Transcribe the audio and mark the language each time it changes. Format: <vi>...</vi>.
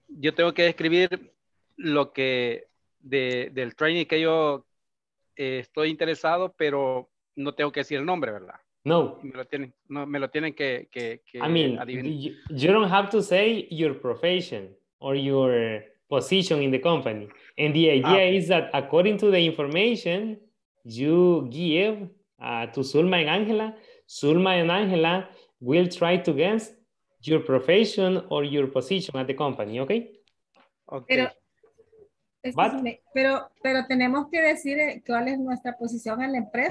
<es>Yo tengo que escribir lo que del training que yo estoy interesado, pero no tengo que decir el nombre, ¿verdad? No. Me lo tienen que adivinar.</es> <en>You don't have to say your profession or your position in the company. And the idea is that according to the information you give to Zulma and Angela, Zulma and Angela will try to guess your profession or your position at the company, okay? Okay.</en> <es>Pero tenemos que decir cuál es nuestra posición en la empresa</es>